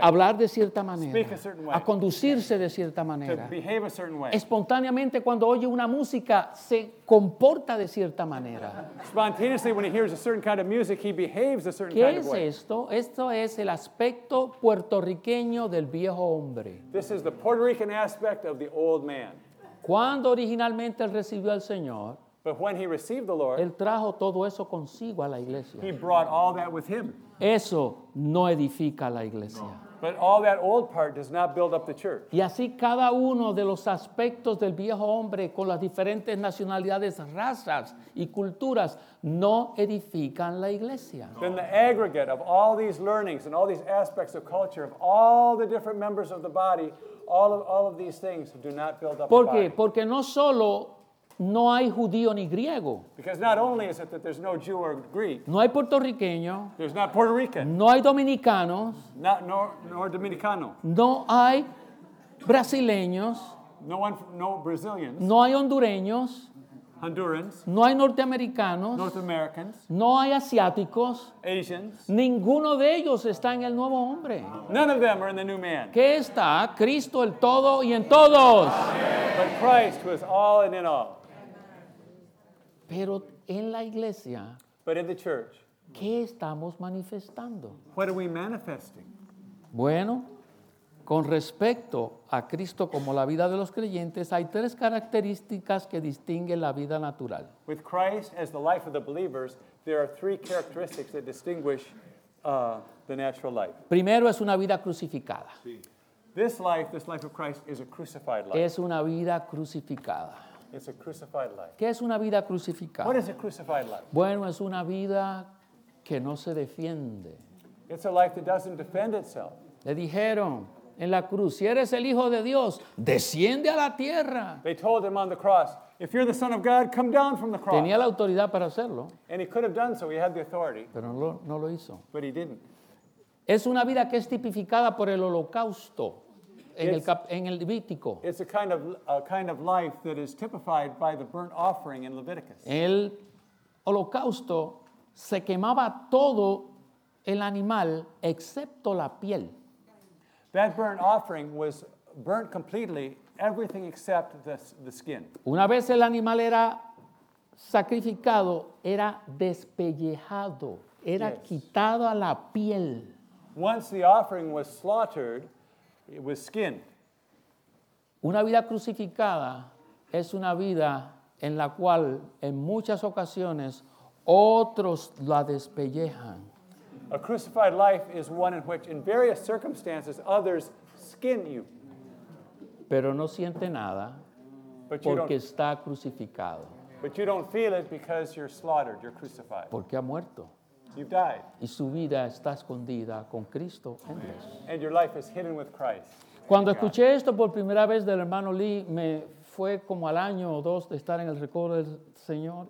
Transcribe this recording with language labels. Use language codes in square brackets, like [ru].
[es] a hablar de cierta manera, [en] speak a certain way, [es] a conducirse de cierta manera, [en] to behave a certain way. [es] Espontáneamente cuando oye una música se comporta de cierta manera. [en] Spontaneously when he hears a certain kind of music he behaves a certain [es] ¿qué [en] kind [es] es [en] of way. [es] Esto? Esto es el aspecto puertorriqueño del viejo hombre. [en] This is the Puerto Rican aspect of the old man. [es] Cuando originalmente él recibió al Señor, [en] but when he received the Lord, [es] él trajo todo eso consigo a la iglesia. [en] He brought all that with him. [es] Eso no edifica a la iglesia. No. [en] But all that old part does not build up the church. [es] Y así cada uno de los aspectos del viejo hombre con las diferentes nacionalidades, razas y culturas no edifican la iglesia. [en] Then the aggregate of all these learnings and all these aspects of culture of all the different members of the body, all of these things do not build up. [es] ¿Por [en] the Body. [es] Porque no solo no hay judío ni griego. [en] Because not only is it that there's no Jew or Greek. [es] No hay puertorriqueño. [en] There's not Puerto Rican. [es] No hay dominicanos. [en] Not, nor dominicano. [es] No hay brasileños. [en] No Brazilians. [es] No hay hondureños. [en] Hondurans. [es] No hay norteamericanos. [en] North Americans. [es] No hay asiáticos. [en] Asians. [es] Ninguno de ellos está en el nuevo hombre. [en] None of them are in the new man. [es] ¿Qué está? Cristo el todo y en todos. [en] But Christ was all and in all. [es] Pero en la iglesia, [en] but in the church, [es] ¿qué estamos manifestando? [en] What are we manifesting? [es] Bueno, con respecto a Cristo como la vida de los creyentes, hay tres características que distinguen la vida natural. [en] With Christ as the life of the believers, there are three characteristics that distinguish the natural life. [es] Primero es una vida crucificada. Sí. [en] This life of Christ is a crucified life. [es] Es una vida crucificada. [en] It's a crucified life. [es] ¿Qué es una vida crucificada? [en] What is a crucified life? [es] Bueno, es una vida que no se defiende. [en] It's a life that doesn't defend itself. [es] Le dijeron en la cruz, si eres el Hijo de Dios, desciende a la tierra. [en] They told him on the cross, if you're the Son of God, come down from the cross. [es] Tenía la autoridad para hacerlo. [en] And he could have done so, he had the authority. [es] Pero no lo hizo. [en] But he didn't. [es] Es una vida que es tipificada por el holocausto en el Levítico. [en] It's a kind of life that is typified by the burnt offering in Leviticus. [es] El holocausto se quemaba todo el animal excepto la piel. [en] That burnt offering was burnt completely, everything except the skin. [es] Una vez el animal era sacrificado, era despellejado, era yes. Quitado a la piel. [en] Once the offering was slaughtered, it was skin. [es] Una vida crucificada es una vida en la cual, en muchas ocasiones, otros la despellejan. [en] A crucified life is one in which, in various circumstances, others skin you. [es] pero no siente nada porque está crucificado. [en] But you don't feel it because you're slaughtered, you're crucified. [es] Porque ha muerto. [en] You've died. [es] Y su vida está escondida con Cristo en Dios. [en] And your life is hidden with Christ. [es] Cuando escuché esto por primera vez del hermano Lee, me fue como al año o dos de estar en el recobro del Señor.